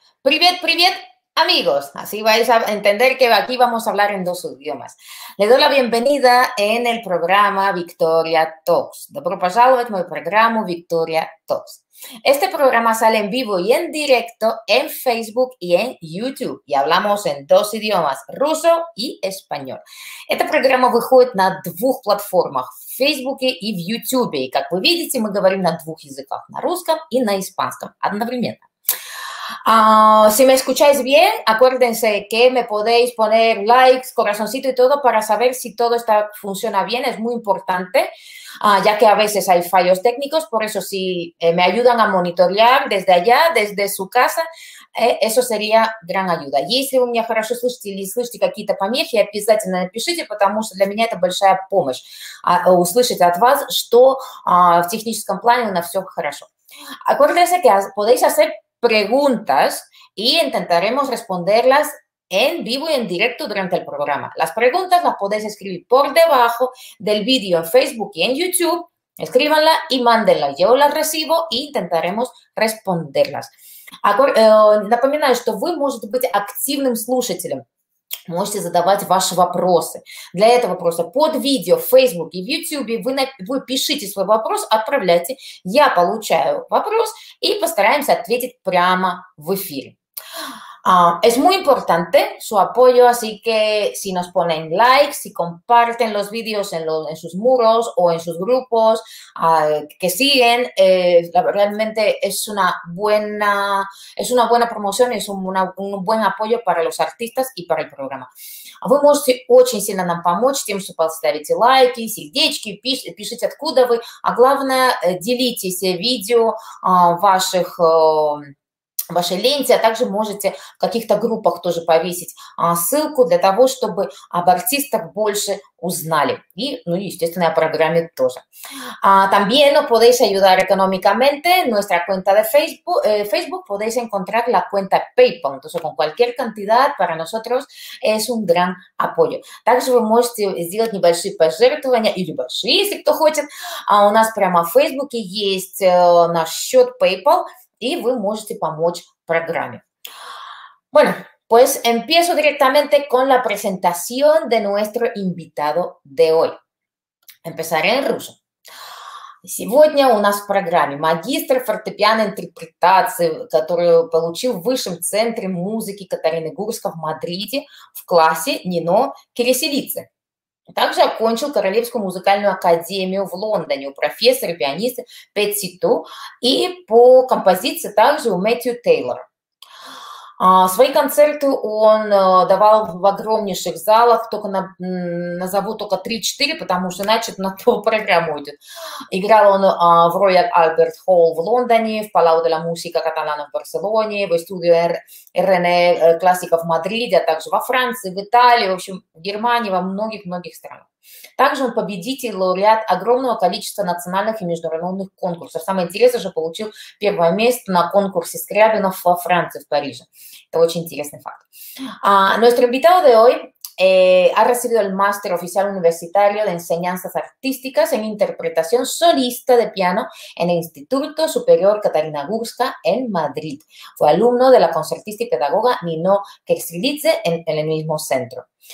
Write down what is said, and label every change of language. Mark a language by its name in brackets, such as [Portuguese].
[Russian] Privet, privet, [Spanish] amigos. Así vais a entender que aquí vamos a hablar en dos idiomas. Le doy la bienvenida en el programa Victoria Talks. [Russian] Dobro pozdravljeni [Spanish] en el programa Victoria Talks. Este programa sale en vivo y en directo en Facebook y en YouTube. Y hablamos en dos idiomas, ruso y español. Este programa [Russian] выходит на двух платформах. В Фейсбуке и в Ютубе. И, как вы видите, мы говорим на двух языках, на русском и на испанском одновременно. [Spanish] Si me escucháis bien, acuérdense que me podéis poner likes, corazoncito y todo para saber si todo está, funciona bien. Es muy importante, ya que a veces hay fallos técnicos. Por eso, si me ayudan a monitorear desde allá, desde su casa, eso sería gran ayuda. Y si [Russian] у меня хорошо слышите или слышите какие-то помехи, обязательно напишите, потому что для меня это большая помощь услышать от вас, что в техническом плане у нас все хорошо. [Spanish] Acuérdense que podéis hacer preguntas y intentaremos responderlas en vivo y en directo durante el programa. Las preguntas las podéis escribir por debajo del vídeo en Facebook y en YouTube. Escríbanla y mándenla. Yo las recibo e intentaremos responderlas. [Russian] Напоминаю, что вы можете быть активным слушателем. Можете задавать ваши вопросы. Для этого просто под видео в Facebook и в YouTube вы пишите свой вопрос, отправляйте. Я получаю вопрос и постараемся ответить прямо в эфире. [Spanish] Es muy importante su apoyo, así que si nos ponen likes, si comparten los vídeos en sus muros o en sus grupos que siguen, realmente es una buena promoción, es un buen apoyo para los artistas y para el programa. [Russian] Вы можете очень сильно нам помочь тем, что поставите лайки, сердечки, пишите, откуда вы, а главное, делитесь видео ваших... вашей ленте, а также можете в каких-то группах тоже повесить ссылку для того, чтобы об артистах больше узнали. И, ну, естественно, о программе тоже. [Spanish] También nos podéis ayudar económicamente en nuestra cuenta de Facebook. Facebook podéis encontrar la cuenta PayPal. Entonces, con cualquier cantidad para nosotros es un gran apoyo. [Russian] Также вы можете сделать небольшие пожертвования или большие, если кто хочет. У нас прямо в Facebook есть наш счет PayPal. [Spanish] Y vos [Russian] можете помочь программе. [Spanish] Bueno, pues empiezo directamente con la presentación de nuestro invitado de hoy. Empezaré en ruso. [Russian] Сегодня у нас в программе магистр фортепианной интерпретации, которую получил в Высшем центре музыки Катарины Гурска в Мадриде в классе Нино Кириселидзе. Также окончил Королевскую музыкальную академию в Лондоне у профессора пианиста Пэтси Ту и по композиции также у Мэтью Тейлора. Свои концерты он давал в огромнейших залах, только назову только 3-4, потому что иначе на ту программу уйдет. Играл он в Royal Albert Hall в Лондоне, в Palau de la Música Catalana в Барселоне, в студию Рене Классика в Мадриде, а также во Франции, в Италии, в общем, в Германии, во многих-многих странах. Также он победитель, лауреат огромного количества национальных и международных конкурсов. Самое интересное, что получил первое место на конкурсе Скрябинов во Франции, в Париже. Это очень интересный факт. [Spanish] Nuestro invitado de hoy ha recibido el Máster Oficial Universitario de Enseñanzas Artísticas en Interpretación Solista de Piano en el Instituto Superior Catarina Gurska en Madrid. Fue alumno de la concertista y pedagoga Nino Kersilidze en el mismo centro.